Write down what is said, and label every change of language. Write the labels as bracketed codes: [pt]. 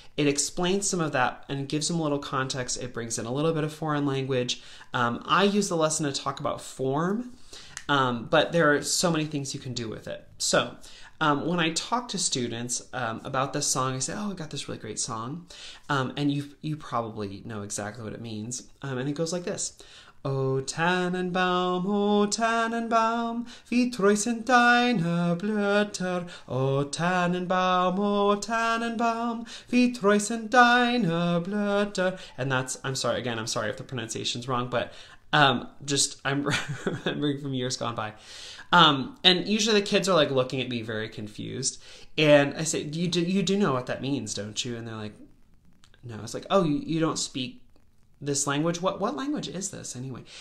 [en] It explains some of that and gives them a little context. It brings in a little bit of foreign language. I use the lesson to talk about form, but there are so many things you can do with it. So when I talk to students about this song, I say, "Oh, I got this really great song," and you probably know exactly what it means. And it goes like this: [de] "O Tannenbaum, O Tannenbaum, wie treu sind deine Blätter! O Tannenbaum, O Tannenbaum, wie treu sind deine Blätter!" [en] And that's I'm sorry again. I'm sorry if the pronunciation's wrong, but just I'm remembering from years gone by. And usually the kids are like looking at me very confused. And I say, you do know what that means, don't you? And they're like, no. It's like, oh, you don't speak this language? What language is this anyway?